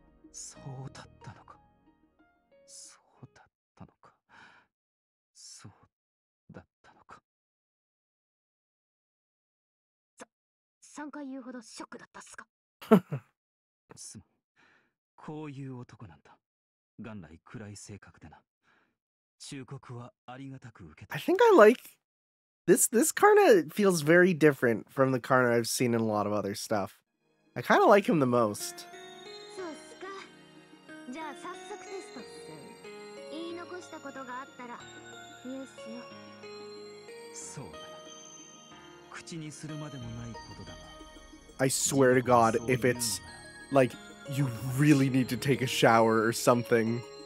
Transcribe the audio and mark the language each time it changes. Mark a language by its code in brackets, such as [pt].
[ja] そうだったのか、そうだったのか、そうだったのか。 3回言うほどショックだったっすか。すまん、こういう男なんだ。元来暗い性格でな。忠告はありがたく受けた。 [en] I think I like this Karna feels very different from the Karna I've seen in a lot of other stuff. I kind of like him the most. [ja] そうっすか。じゃあ早速テストっす。言い残したことがあったら言うっすよ。そうだ、口にするまでもないことだが。 [en] I swear to God, if it's like you really need to take a shower or something.